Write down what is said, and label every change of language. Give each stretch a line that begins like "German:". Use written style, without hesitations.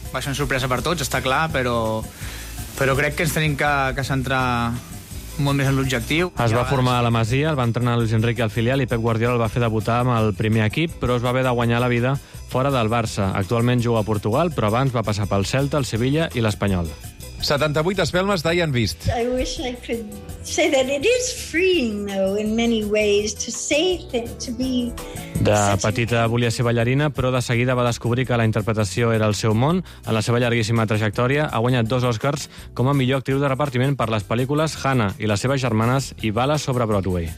Catalan: Va ser una sorpresa per tots, està clar, però crec que ens tenim que centrar molt més en l'objectiu. Es va formar a la Masia, el va entrenar Luis Enrique al filial i Pep Guardiola el va fer debutar amb el primer equip, però es va haver de guanyar la vida fora del Barça. Actualment juga a Portugal, però abans va passar pel Celta, el Sevilla i l'Espanyol. 78 espelmes d'Ian Vist.
English: I wish I could say that it is freeing, though, in many ways, to say that, to be...
Catalan: De petita volia ser ballarina, però de seguida va descobrir que la interpretació era el seu món. En la seva llarguíssima trajectòria ha guanyat 2 Oscars com a millor actriu de repartiment per les pel·lícules Hannah i les seves germanes i Bala sobre Broadway.